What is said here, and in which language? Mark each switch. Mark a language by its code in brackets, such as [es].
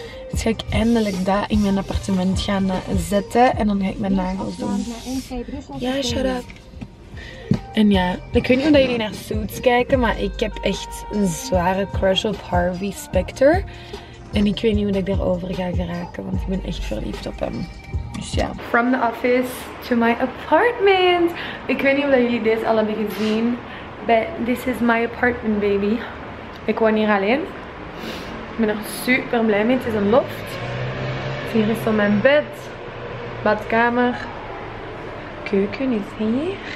[nl] Dus ga ik eindelijk daar in mijn appartement gaan zetten. En dan ga ik mijn nagels doen. Ja, [en] shut up. [nl] En ja, ik weet niet of jullie naar Suits kijken, maar ik heb echt een zware crush op Harvey Specter. En ik weet niet hoe ik daarover ga geraken, want ik ben echt verliefd op hem. Dus ja. [en] From the office to my apartment. [nl] Ik weet niet of jullie dit al hebben gezien, [en] but this is my apartment, baby. [nl] Ik woon hier alleen. Ik ben er super blij mee. Het is een loft. Hier is zo mijn bed. Badkamer. Keuken is hier.